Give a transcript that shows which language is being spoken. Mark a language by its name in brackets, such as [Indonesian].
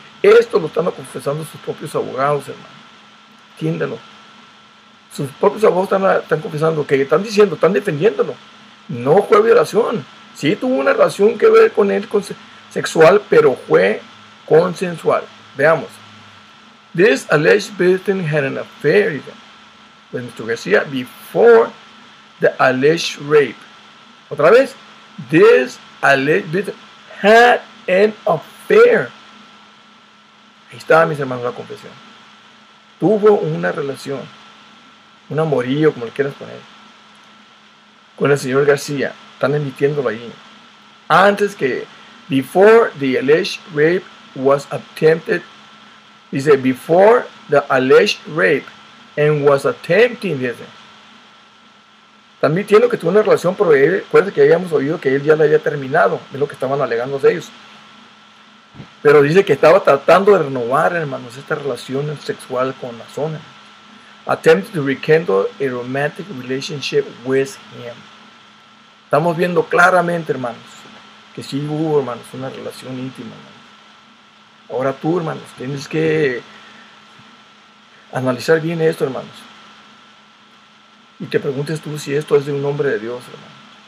[Spanish] Esto lo están confesando sus propios abogados, hermano. Entiéndelo. Sus propios abogados están confesando, que están diciendo, están defendiéndolo. No fue violación. Sí tuvo una relación que ver con él sexual, pero fue consensual. Veamos. [English] This alleged victim had an affair with Mr. Garcia before the alleged rape. [Spanish] Otra vez. [English] This alleged victim had an affair. [Spanish] Ahí está, mis hermanos, la confesión. Tuvo una relación, un amorío, como le quieras poner, con el señor García. Están admitiéndolo ahí. Antes que, [English] before the alleged rape was attempted, dice, before the alleged rape and was attempting, dice. [Spanish] Están admitiendo que tuvo una relación, pero él, acuérdense que habíamos oído que él ya la había terminado. Es lo que estaban alegando ellos. Pero dice que estaba tratando de renovar, hermanos, esta relación sexual con la zona. [English] Attempt to rekindle a romantic relationship with him. [Spanish] Estamos viendo claramente, hermanos, que sí hubo, hermanos, una relación íntima, hermanos. Ahora tú, hermanos, tienes que analizar bien esto, hermanos. Y te preguntes tú si esto es de un hombre de Dios, hermano.